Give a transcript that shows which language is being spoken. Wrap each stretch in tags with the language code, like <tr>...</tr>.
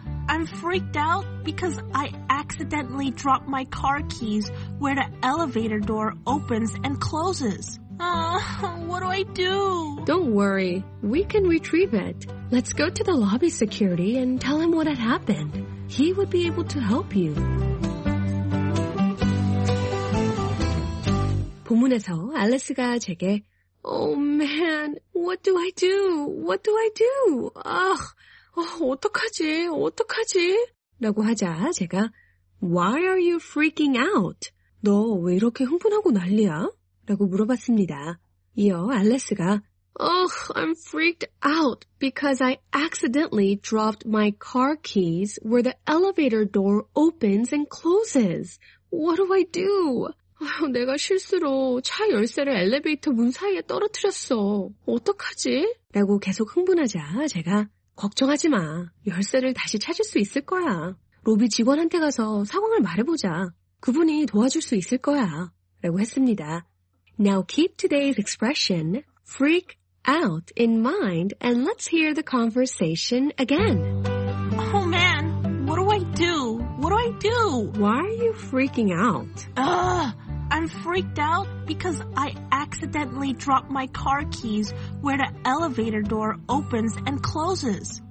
<en>I'm freaked out because I accidentally dropped my car keys where the elevator door opens and closes. What do I do? Don't worry, we can retrieve it. Let's go to the lobby security and tell him what had happened. He would be able to help you.</en> <ko>본문에서 알리스가 제게</ko> <en>Oh man, what do I do? What do I do?</en> <ko>어떡하지? 어떡하지? 라고 하자 제가</ko> <en>Why are you freaking out?</en> <ko>너 왜 이렇게 흥분하고 난리야? 라고 물어봤습니다. 이어 알리스가</ko> <en>Ugh, I'm freaked out because I accidentally dropped my car keys where the elevator door opens and closes. What do I do?</en> <ko>내가 실수로 차 열쇠를 엘리베이터 문 사이에 떨어뜨렸어. 어떡하지? 라고 계속 흥분하자 제가 걱정하지 마. 열쇠를 다시 찾을 수 있을 거야. 로비 직원한테 가서 상황을 말해보자. 그분이 도와줄 수 있을 거야. 라고 했습니다.</ko> <en>Now keep today's expression. Freak out in mind, and let's hear the conversation again. Oh man, what do I do? What do I do? Why are you freaking out? I'm freaked out because I accidentally dropped my car keys where the elevator door opens and closes.</en>